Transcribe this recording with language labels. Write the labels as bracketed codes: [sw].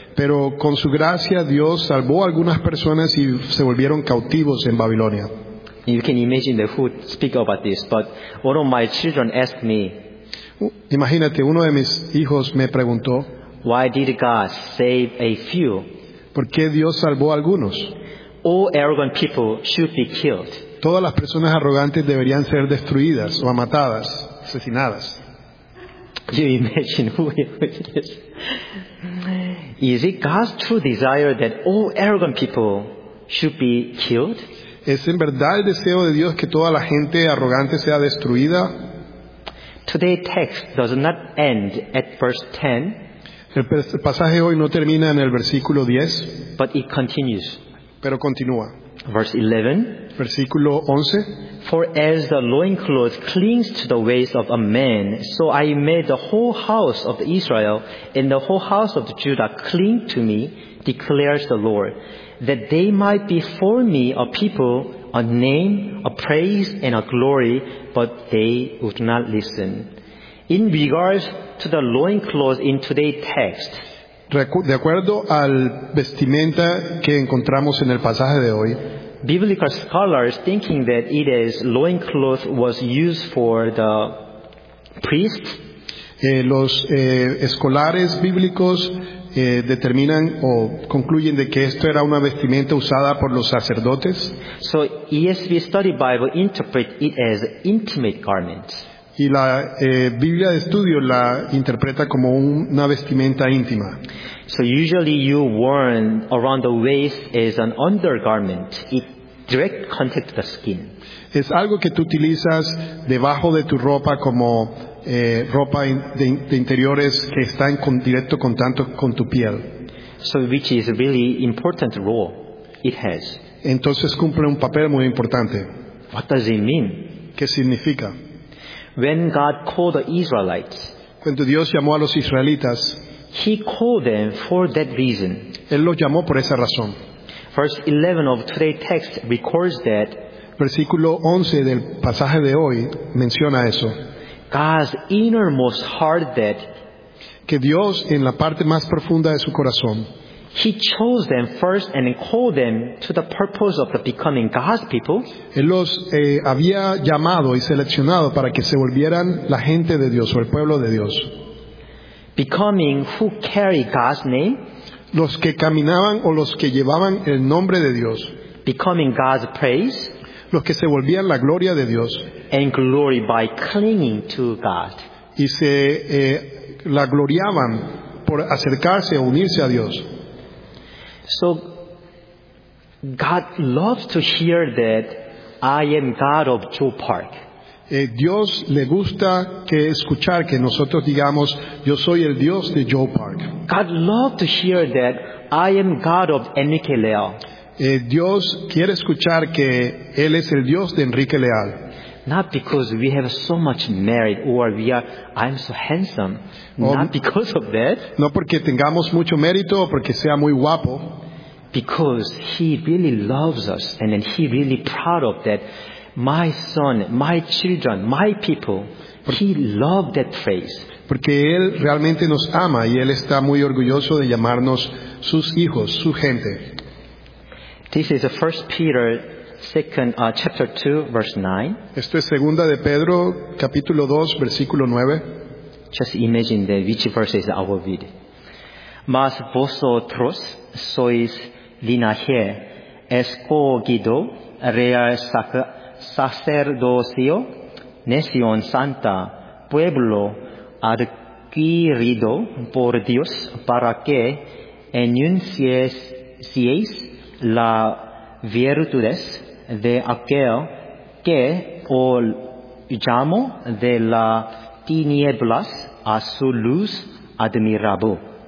[es] Pero con su gracia Dios salvó a algunas personas y se volvieron cautivos en Babilonia. [en] You can imagine the who speak about this, but one of my children asked me. [es] Imagínate, uno de mis hijos me preguntó. [en] Why did God save a few? [es] ¿Por qué Dios salvó a algunos? [en] All arrogant people should be killed. [es] Todas las personas arrogantes deberían ser destruidas o matadas, asesinadas. [en] Can you imagine who is this? Is it God's true desire that all arrogant people should be killed? [es] ¿Es en verdad el deseo de Dios que toda la gente arrogante sea destruida? [en] Today text does not end at verse 10. [es] El pasaje hoy no termina en el versículo 10. [en] But it continues. [es] Pero continúa. [en] Verse 11. [es] Versículo 11. [en] For as the loincloth clings to the waist of a man, so I made the whole house of Israel and the whole house of Judah cling to me, declares the Lord, that they might be for me a people, a name, a praise, and a glory, but they would not listen. In regards to the loincloth in today's text, [es] de acuerdo al vestimenta que encontramos en el pasaje de hoy, [en] biblical scholars thinking that it is loincloth was used for the priest. [es] Los escolares bíblicos determinan o concluyen de que esto era una vestimenta usada por los sacerdotes. [en] So ESV Study Bible interprets it as intimate garments. [es] Y la Biblia de estudio la interpreta como una vestimenta íntima. [en] So usually you worn around the waist as an undergarment. It direct contact the skin. [es] Es algo que tú utilizas debajo de tu ropa como ropa de interiores que está en directo contacto con tu piel. [en] So which is a really important role it has. [es] Entonces cumple un papel muy importante. [en] What does it mean? [es] ¿Qué significa? [en] When God called the Israelites, [es] cuando Dios llamó a los israelitas, [en] He called them for that reason. [es] Él los llamó por esa razón. [en] Verse 11 of today's text records that. [es] Versículo 11 del pasaje de hoy menciona eso. [en] God's innermost heart that. [es] Que Dios en la parte más profunda de su corazón. [en] He chose them first and called them to the purpose of the becoming God's people. [es] Él los había llamado y seleccionado para que se volvieran la gente de Dios o el pueblo de Dios. [en] Becoming who carry God's name. [es] Los que caminaban o los que llevaban el nombre de Dios. [en] Becoming God's praise. [es] Los que se volvían la gloria de Dios. [en] And glory by clinging to God. [es] Y se la gloriaban por acercarse o unirse a Dios. [en] So God loves to hear that I am God of Joe Park. [es] Dios le gusta que escuchar que nosotros digamos yo soy el Dios de Joe Park. [en] God loves to hear that I am God of Enrique Leal. [es] Dios quiere escuchar que él es el Dios de Enrique Leal. [en] Not because we have so much merit or we are I'm so handsome. Not because of that. [es] No porque tengamos mucho mérito o porque sea muy guapo. [en] Because he really loves us and then he really proud of that. My son, my children, my people. He loved that phrase. [es] Porque él realmente nos ama y él está muy orgulloso de llamarnos sus hijos, su gente. [en] This is 1 Peter chapter 2 verse 9. [es] Esto es segunda de Pedro capítulo 2 versículo 9. [en] Just imagine that which verse is our read. [es] Mas vosotros sois linaje escogido, real sacerdocio, nación santa, pueblo adquirido por Dios, para que enuncieis la virtudes de aquel que os llamó de las tinieblas a su luz admirable.